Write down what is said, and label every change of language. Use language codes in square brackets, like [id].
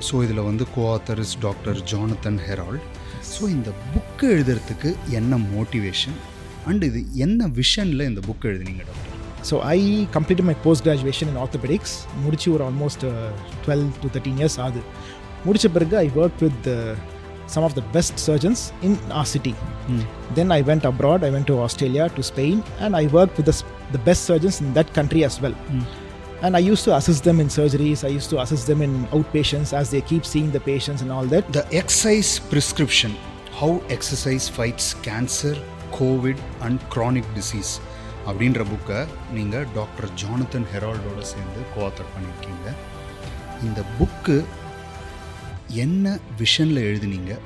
[ta] So இதில் வந்து [en] Co author is doctor Jonathan Harold. [ta] So இந்த புக்கு எழுதுறதுக்கு என்ன மோட்டிவேஷன் அண்ட் இது என்ன விஷனில் இந்த book எழுதுனீங்க doctor? [en] So I complete my post graduation in orthopaedics. [ta] முடிச்சு [en] ஒரு almost 12 to 13 years ஆகுது. [ta] முடித்த பிறகு [en] I work with some of the best surgeons in our city. Then I went abroad, I went to Australia, to Spain, and I worked with the best surgeons in that country as well. And I used to assist them in surgeries, I used to assist them in outpatients as they keep seeing the patients and all that. The exercise prescription, how exercise fights cancer, COVID and chronic disease, [ta] அப்படின்ற புக்கை நீங்கள் doctor Jonathan ஹெரால்டோட சேர்ந்து கோஆத்தர் பண்ணியிருக்கீங்க. இந்த book என்ன விஷனில் எழுதுனீங்க?